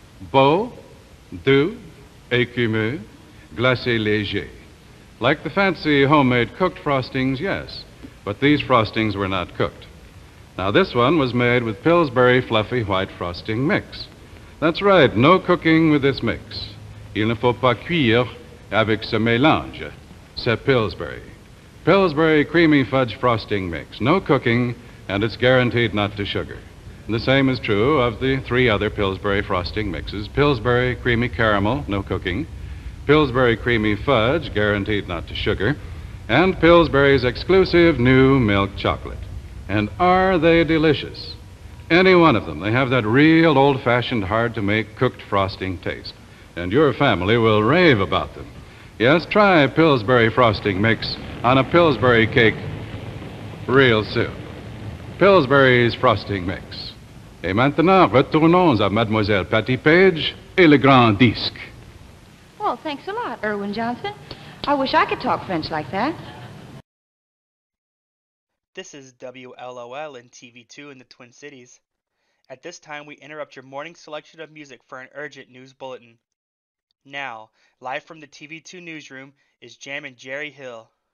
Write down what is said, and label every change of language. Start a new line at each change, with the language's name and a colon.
French: Beau, doux, écumeux, glacé léger.
English: Like the fancy homemade cooked frostings, yes. But these frostings were not cooked. Now, this one was made with Pillsbury Fluffy White Frosting Mix. That's right, no cooking with this mix.
French: Il ne faut pas cuire avec ce mélange. C'est Pillsbury. Pillsbury Creamy Fudge Frosting Mix.
English: No cooking, and it's guaranteed not to sugar. And the same is true of the three other Pillsbury Frosting Mixes. Pillsbury Creamy Caramel, no cooking. Pillsbury Creamy Fudge, guaranteed not to sugar. And Pillsbury's exclusive new milk chocolate. And are they delicious? Any one of them. They have that real old-fashioned, hard-to-make, cooked frosting taste. And your family will rave about them. Yes, try Pillsbury Frosting Mix on a Pillsbury cake real soon. Pillsbury's Frosting Mix.
French: Et maintenant, retournons à Mademoiselle Patty Page et le Grand Disque.
English: Well, thanks a lot, Irwin Johnson. I wish I could talk French like that. This is WLOL in TV2 in the Twin Cities. At this time, we interrupt your morning selection of music for an urgent news bulletin. Now, live from the TV2 newsroom is Jammin' Jerry Hill.